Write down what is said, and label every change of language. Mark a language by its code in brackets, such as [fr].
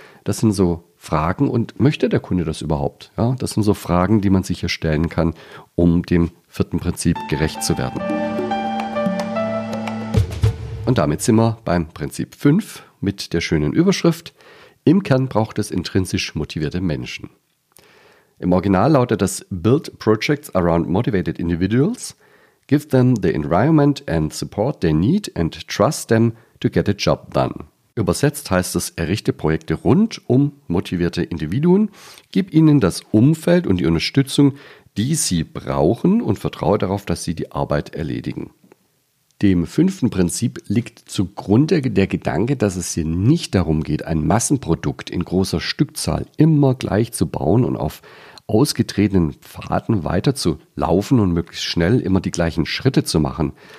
[de] Das sind so Fragen und möchte der Kunde das überhaupt? Ja, das sind so Fragen, die man sich hier stellen kann, um dem vierten Prinzip gerecht zu werden. Und damit sind wir beim Prinzip 5 mit der schönen Überschrift: Im Kern braucht es intrinsisch motivierte Menschen. Im Original lautet das: [en] Build projects around motivated individuals, give them the environment and support they need and trust them to get a job done. [de] Übersetzt heißt es: Errichte Projekte rund um motivierte Individuen, gib ihnen das Umfeld und die Unterstützung, die sie brauchen und vertraue darauf, dass sie die Arbeit erledigen. Dem fünften Prinzip liegt zugrunde der Gedanke, dass es hier nicht darum geht, ein Massenprodukt in großer Stückzahl immer gleich zu bauen und auf ausgetretenen Pfaden weiter zu laufen und möglichst schnell immer die gleichen Schritte zu machen.